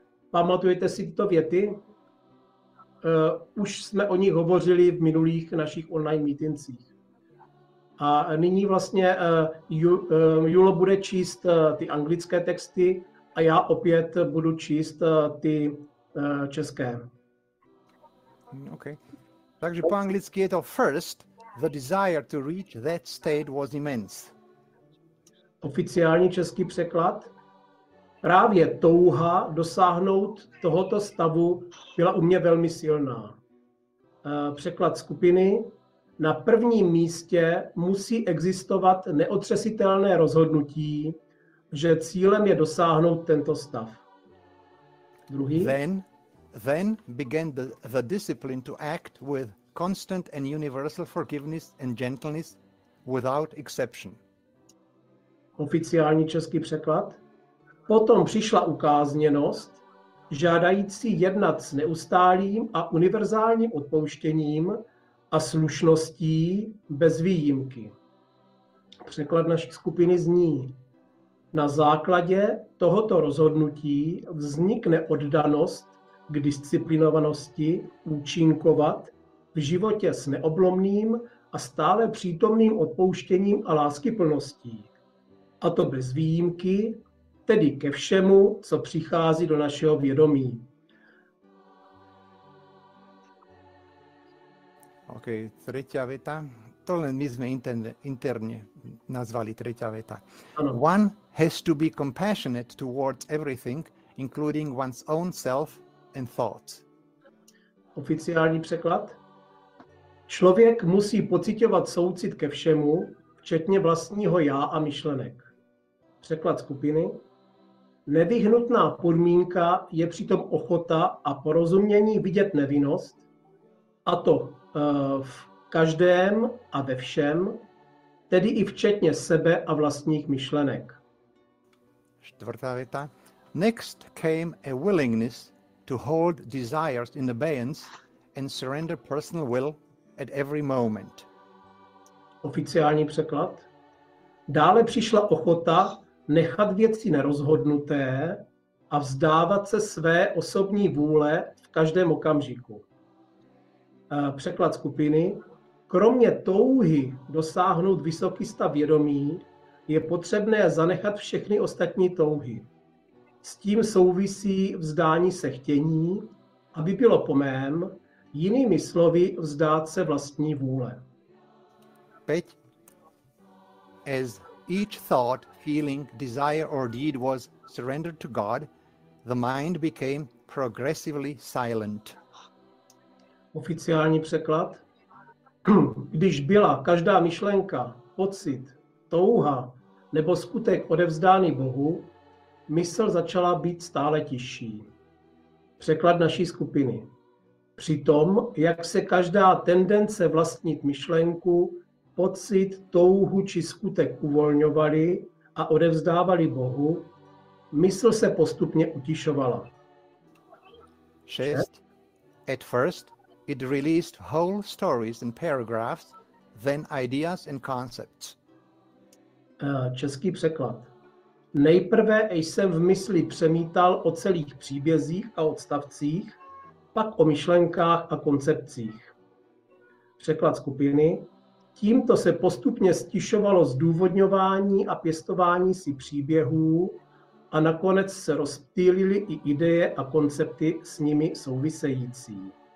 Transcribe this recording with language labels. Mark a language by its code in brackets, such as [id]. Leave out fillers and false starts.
[cs] Pamatujete si tyto věty? Už jsme o nich hovořili v minulých našich online meetingcích. A nyní vlastně Julo bude číst ty anglické texty a já opět budu číst ty české. OK. Takže po anglicky je to [en] first, the desire to reach that state was immense. [cs] Oficiální český překlad. Právě touha dosáhnout tohoto stavu byla u mě velmi silná. Překlad skupiny. Na prvním místě musí existovat neotřesitelné rozhodnutí, že cílem je dosáhnout tento stav. Druhý. [en] Then began the discipline to act with constant and universal forgiveness and gentleness without exception. [cs] Oficiální český překlad. Potom přišla ukázněnost, žádající jednat s neustálým a univerzálním odpouštěním a slušností bez výjimky. Překlad naší skupiny zní: na základě tohoto rozhodnutí vznikne oddanost k disciplinovanosti účinkovat v životě s neoblomným a stále přítomným odpouštěním a láskyplností. A to bez výjimky, tedy ke všemu, co přichází do našeho vědomí. OK, třetí věta. To len my jsme interně nazvali třetí věta. [en] One has to be compassionate towards everything, including one's own self and thoughts. [cs] Oficiální překlad. Člověk musí pociťovat soucit ke všemu, včetně vlastního já a myšlenek. Překlad skupiny. Nevyhnutná podmínka je přitom ochota a porozumění vidět nevinnost, a to v každém a ve všem, tedy i včetně sebe a vlastních myšlenek. Čtvrtá věta. [en] Next came a willingness to hold desires in abeyance and surrender personal will at every moment. [cs] Oficiální překlad. Dále přišla ochota nechat věci nerozhodnuté a vzdávat se své osobní vůle v každém okamžiku. Překlad skupiny. Kromě touhy dosáhnout vysoký stav vědomí, je potřebné zanechat všechny ostatní touhy. S tím souvisí vzdání se chtění, aby bylo po mém, jinými slovy vzdát se vlastní vůle. [en] Peť. As each thought, feeling, desire or deed was surrendered to God, the mind became progressively silent. [cs] Oficiální překlad. Když byla každá myšlenka, pocit, touha nebo skutek odevzdány Bohu, mysl začala být stále tišší. Překlad naší skupiny. Přitom, jak se každá tendence vlastnit myšlenku, pocit, touhu či skutek uvolňovaly a odevzdávaly Bohu, mysl se postupně utišovala. 6. [en] At first, it released whole stories and paragraphs, then ideas and concepts. [cs] Český překlad. Nejprve jsem v mysli přemítal o celých příbězích a odstavcích, pak o myšlenkách a koncepcích. Překlad skupiny. Tímto se postupně stišovalo zdůvodňování a pěstování si příběhů a nakonec se rozptýlily i ideje a koncepty s nimi související.